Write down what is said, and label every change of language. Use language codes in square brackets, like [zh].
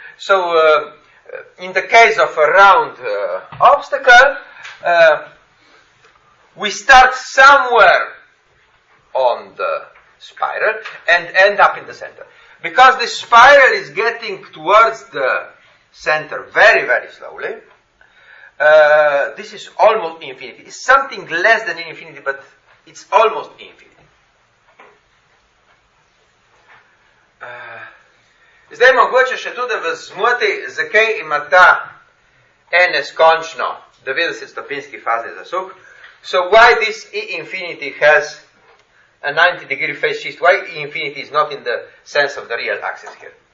[en] So, in the case of a round obstacle, we start somewhere on the spiral and end up in the center. Because the spiral is getting towards the center very, very slowly. This is almost infinity. It's something less than infinity, but it's almost infinity. [sl] Zdaj mogoče še tudi vas zmoti, zakaj ima ta E neskončno 90 stopinski fazi zasuk. [en] So why this E infinity has a 90 degree phase shift? Why E infinity is not in the sense of the real axis here?